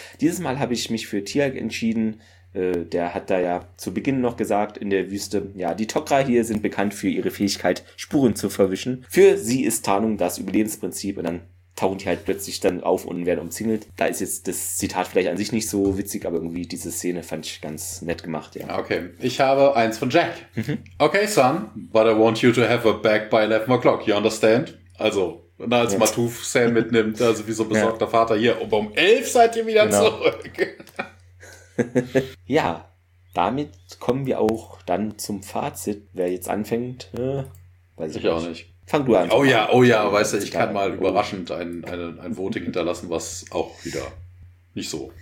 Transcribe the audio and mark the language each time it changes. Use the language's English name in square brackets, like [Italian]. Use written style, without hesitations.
[German] Dieses Mal habe ich mich für Tialk entschieden. Der hat da ja zu Beginn noch gesagt in der Wüste, ja, die Tok'ra hier sind bekannt für ihre Fähigkeit, Spuren zu verwischen. Für sie ist Tarnung das Überlebensprinzip und dann tauchen die halt plötzlich dann auf und werden umzingelt. Da ist jetzt das Zitat vielleicht an sich nicht so witzig, aber irgendwie diese Szene fand ich ganz nett gemacht, ja. Okay, ich habe eins von Jack. [English] Okay, son, but I want you to have a bag by 11 o'clock, you understand? [German] Also, als Matuf Sam mitnimmt, also wie so ein besorgter Vater, hier, um 11 seid ihr wieder zurück. Ja, damit kommen wir auch dann zum Fazit. Wer jetzt anfängt, weiß ich auch nicht. Fang du an. Oh ja, weißt du, ich kann mal überraschend ein Voting hinterlassen, was auch wieder nicht so.